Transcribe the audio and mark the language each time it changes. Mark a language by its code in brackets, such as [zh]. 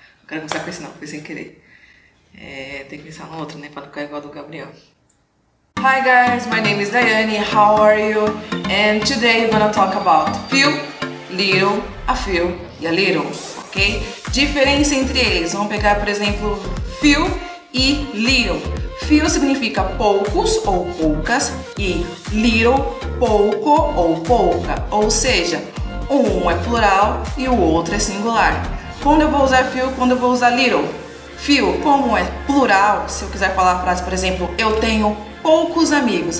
[pt] Não quero começar com esse, não, foi sem querer. Tem que pensar no outro, né, pra não ficar igual do Gabriel. [en] Hi guys, my name is Tayane, how are you? And today we're gonna talk about few, little, a few e a little, ok? [pt] Diferença entre eles, vamos pegar por exemplo few e little. Few significa poucos ou poucas e little, pouco ou pouca, ou seja, um é plural e o outro é singular. Quando eu vou usar few, quando eu vou usar little? Few, como é plural, se eu quiser falar a frase, por exemplo, eu tenho poucos amigos.